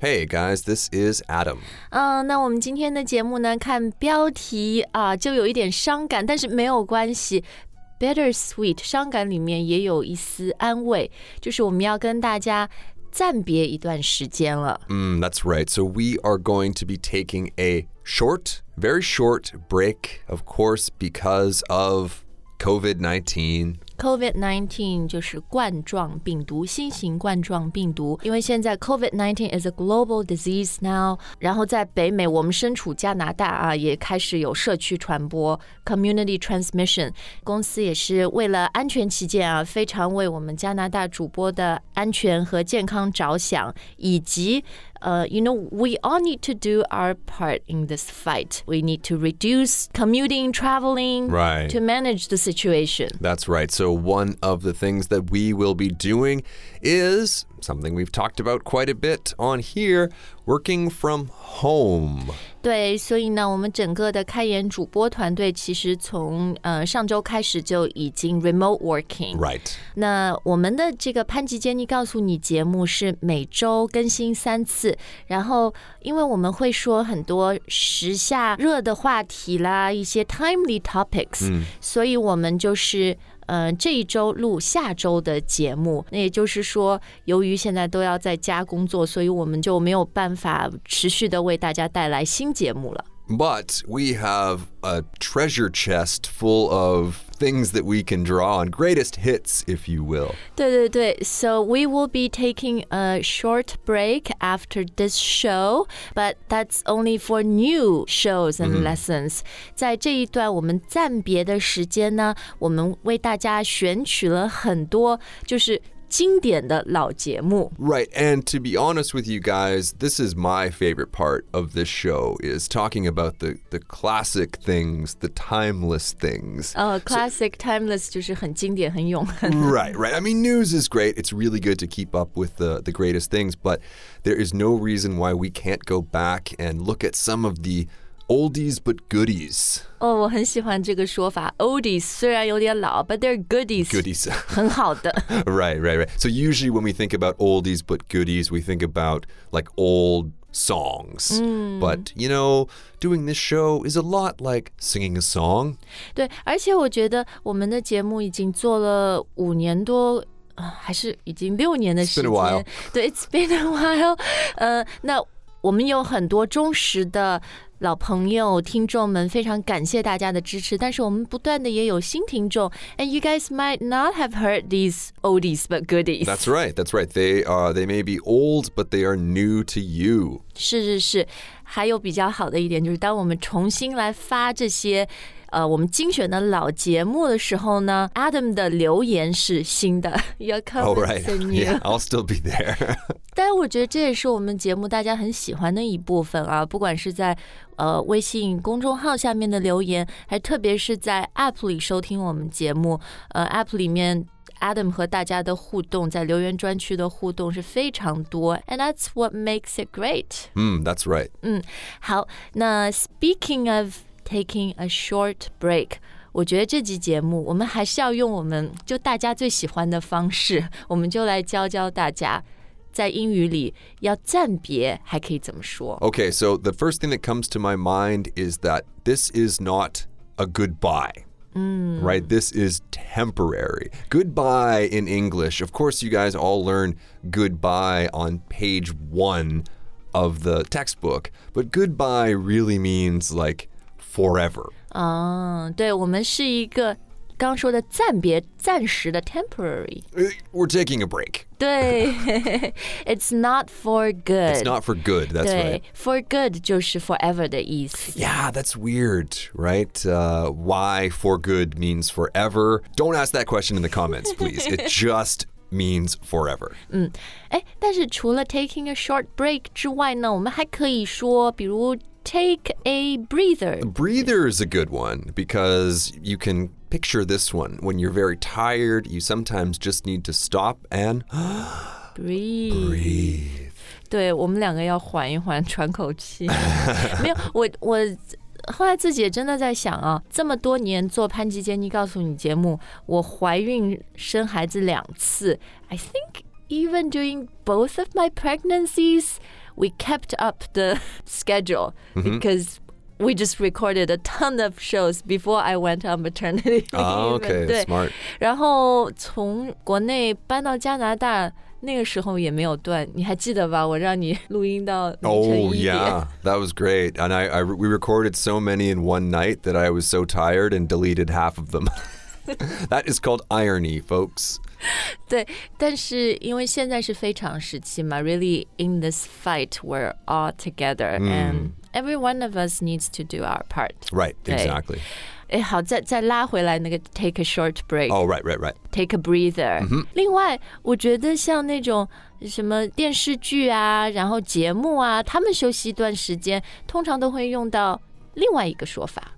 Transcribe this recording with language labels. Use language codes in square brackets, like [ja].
[en] Hey guys, this is Adam. [zh] 那我们今天的节目呢，看标题啊，就有一点伤感，但是没有关系。 Bittersweet， 伤感里面也有一丝安慰，就是我们要跟大家暂别一段时间了。 [en] That's right. So we are going to be taking a short, very short break, of course, because of COVID-19. [zh] COVID-19 就是冠状病毒，新型冠状病毒。因为现在 [en] COVID-19 is a global disease now. [zh] 然后在北美，我们身处加拿大啊，也开始有社区传播 [en] community transmission. [zh] 公司也是为了安全起见啊，非常为我们加拿大主播的安全和健康着想，以及 [en] you know, we all need to do our part in this fight. We need to reduce commuting, traveling, right, to manage the situation. That's right. So one of the things that we will be doing is something we've talked about quite a bit on here, working from home. [zh] 对，所以呢，我们整个的开言主播团队其实从上周开始就已经 remote working. [en] Right. [zh] 那我们的这个潘吉坚尼告诉你节目是每周更新三次，然后因为我们会说很多时下热的话题啦，一些 timely topics，所以我们就是这一周录下周的节目，那也就是说，由于现在都要在家工作，所以我们就没有办法持续的为大家带来新节目了。 [en] But we have a treasure chest full of things that we can draw on, greatest hits, if you will. [zh] 对对对 [en] ，So we will be taking a short break after this show, but that's only for new shows and lessons. [zh] 在这一段我们暂别的时间呢，我们为大家选取了很多就是经典的老节目。 [en] Right, and to be honest with you guys, this is my favorite part of this show, is talking about the classic things, the timeless things. [zh] Classic, so, timeless 就是很经典，很永恒。 [en] Right, right. I mean, news is great. It's really good to keep up with the greatest things, but there is no reason why we can't go back and look at some of the oldies but goodies. [zh] Oh, 我很喜欢这个说法 Oldies 虽然有点老 [en] But they're goodies. Goodies. [zh] 很好的 [en] Right, right, right. So usually when we think about oldies but goodies, we think about like old songs. But, you know, doing this show is a lot like singing a song. [zh] 对，而且我觉得我们的节目已经做了五年多还是已经六年的时间 [en] It's been a while. [zh] 对 [en] it's been a while. [zh] 那我们有很多忠实的老朋友听众们非常感谢大家的支持但是我们不断的也有新听众 [en] And you guys might not have heard these oldies but goodies That's right, that's right They, they may be old but they are new to you [zh] 是是是还有比较好的一点就是当我们重新来发这些我们精选的老节目的时候呢 Adam 的留言是新的 [en] You're coming Oh right, yeah, I'll still be there [zh] 但我觉得这也是我们节目大家很喜欢的一部分啊不管是在微信公众号下面的留言还特别是在 App 里收听我们节目App 里面 Adam 和大家的互动在留言专区的互动是非常多 [en] And that's what makes it great That's right [zh] 好那 [en] speaking ofTaking a short break. [zh] 我觉得这集节目我们还是要用我们就大家最喜欢的方式我们就来教教大家在英语里要暂别还可以怎么说 [en] Okay, so the first thing that comes to my mind is that this is not a goodbye. Right, this is temporary. Goodbye in English. Of course, you guys all learn goodbye on page one of the textbook. But goodbye really means like,Forever. [zh] 对，我们是一个刚说的暂别，暂时的 temporary. [en] We're taking a break. [zh] 对 [en] ，It's not for good. It's not for good. That's [zh] 对 [en] right. [zh] For good 就是 forever 的意思。 [en] Yeah, that's weird, right? Why for good means forever? Don't ask that question in the comments, please. It just means forever. [zh] 但是除了 taking a short break 之外呢，我们还可以说，比如。 [en] Take a breather. A breather is a good one because you can picture this one. When you're very tired, you sometimes just need to stop and breathe. Breathe. [zh] 对，我们两个要缓一缓，喘口气。没有，我后来自己也真的在想啊，这么多年做潘吉杰尼告诉你节目，我怀孕生孩子两次 ， [en] I think even during both of my pregnancies, we kept up the schedule because、mm-hmm. We just recorded a ton of shows before I went on maternity leave. Oh, okay, smart. [zh] 然后从国内搬到加拿大，那个时候也没有断，你还记得吧？我让你录音到凌晨一点。 [en] Oh, yeah, that was great. And we recorded so many in one night that I was so tired and deleted half of them. That is called irony, folks. [zh] 对，但是因为现在是非常时期嘛 ， [en] really in this fight, we're all together、mm. and. Every one of us needs to do our part. Right, exactly. [zh] 哎，好，再拉回来那个 take a short break. [en] Oh, right, right, right. Take a breather.、 Mm-hmm. [zh] 另外，我觉得像那种什么电视剧啊，然后节目啊，他们休息一段时间，通常都会用到另外一个说法